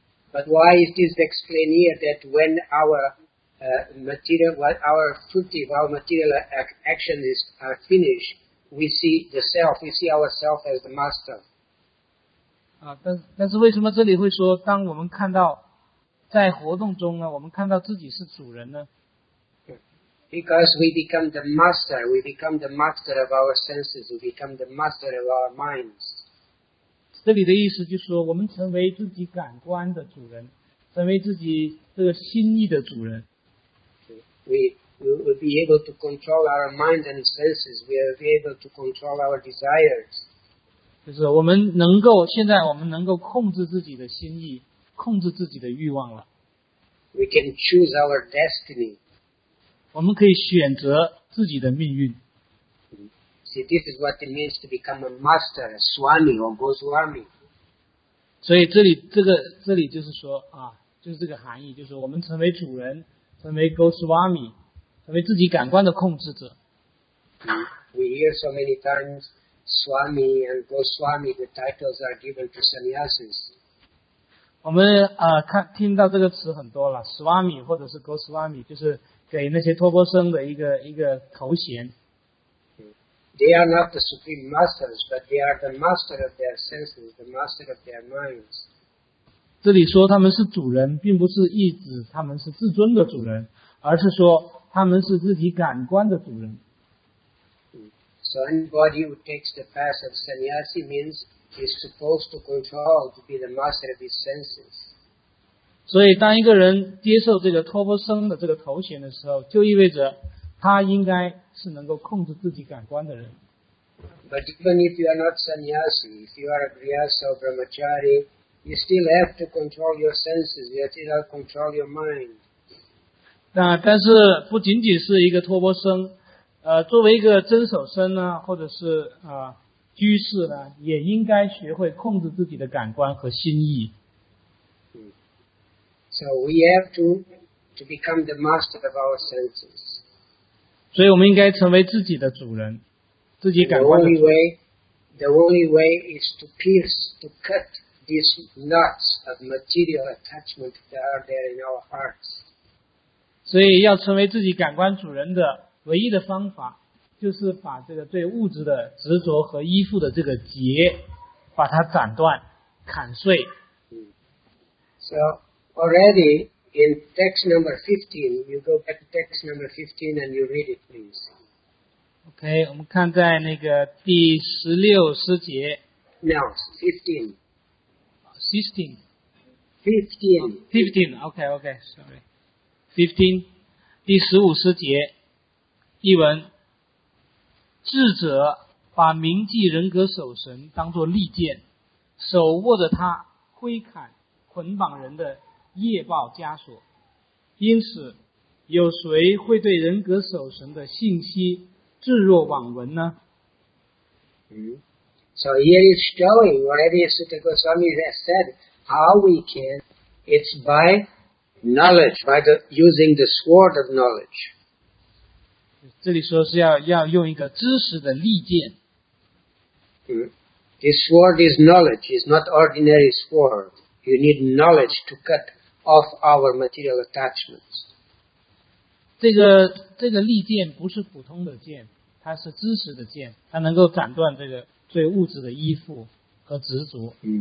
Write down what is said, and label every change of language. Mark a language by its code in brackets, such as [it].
[en] But why it is explained here that when our material, when our fruitive, our material actions are finished, we see the self, we see ourselves as the master. [zh] 啊，但是为什么这里会说，当我们看到在活动中呢，我们看到自己是主人呢 [en] ？Because we become the master, we become the master of our senses, we become the master of our minds. [zh] 这里的意思就是说，我们成为自己感官的主人，成为自己这个心意的主人。 [en] We will be able to control our mind and senses. We will be able to control our desires. [zh] 就是我们能够，现在我们能够控制自己的心意，控制自己的欲望了。 [en] We can choose our destiny. [zh] 我们可以选择自己的命运。 [en] See, this is what it means to become a master, a swami or goswami. [zh] 所以这里就是说啊，就是这个含义，就是我们成为主人，成为 goswami, 成为自己感官的控制者。 [en] We hear so many times. Swami and Goswami, the titles are given to sannyasis. [zh] 我们听到这个词很多了 ，Swami 或者是 Goswami， 就是给那些托钵僧的一个头衔。 [en] They are not the supreme masters, but they are the master of their senses, the master of their minds. [zh] 这里说他们是主人，并不是意指他们是自尊的主人，而是说他们是自己感官的主人。 [en] So anybody who takes the path of sannyasi means he's supposed to control, to be the master of his senses. [zh] 所以当一个人接受这个托钵僧的这个头衔的时候，就意味着他应该是能够控制自己感官的人。 [en] But even if you are not sannyasi, if you are a grihastha or brahmachari, you still have to control your senses, you still have to control your mind. [zh] 但是不仅仅是一个托钵僧，作为一个真守僧呢，或者是居士呢，也应该学会控制自己的感官和心意。 [en] So we have to become the master of our senses. [zh] 所以我们应该成为自己的主人，自己感官的主人。 [en] The only way is to pierce, to cut these knots of material attachment that are there in our hearts. [zh] 所以要成为自己感官主人的唯一的方法，就是把这个对物质的执着和依附的这个结，把它斩断、砍碎。 [en] So already in text number 15, you go back to text number 15 and you read it, please. [zh] Okay, 我们看在那个第十六十节。 [en] Now 15. 16. 15. 15. Okay, okay, sorry. 15. [zh] 第十五十节。译文：智者把铭记人格守神当作利剑，手握着它挥砍捆绑人的业报枷锁，因此有谁会对人格守神的信息置若罔闻呢？ [en] So here it's showing already Sutta Goswami has said how we can. It's by knowledge, by the using the sword of knowledge. [zh] 这里说是要用一个知识的利剑。 [en] This sword is knowledge, it's not ordinary sword. You need knowledge to cut off our material attachments. [zh] 这个利剑不是普通的剑，它是知识的剑，它能够斩断这个对物质的依附和执着。